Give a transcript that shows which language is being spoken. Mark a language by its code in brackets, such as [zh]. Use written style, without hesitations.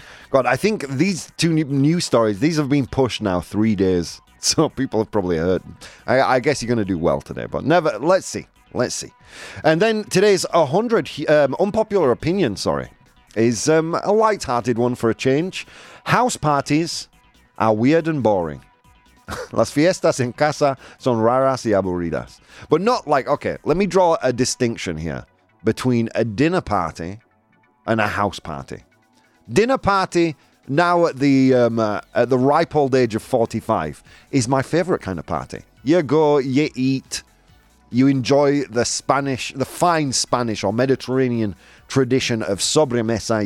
[en] God, I think these two news stories, these have been pushed now 3 days. So people have probably heard. I guess you're going to do well today, but never. Let's see. Let's see. And then today's 100 unpopular opinion, sorry, is a light-hearted one for a change. House parties are weird and boring. [es] Las fiestas en casa son raras y aburridas. [en] But not like, okay, let me draw a distinction here between a dinner party and a house party. Dinner party, now at the ripe old age of 45, is my favorite kind of party. You go, you eat. You enjoy the fine Spanish or Mediterranean tradition of sobremesa.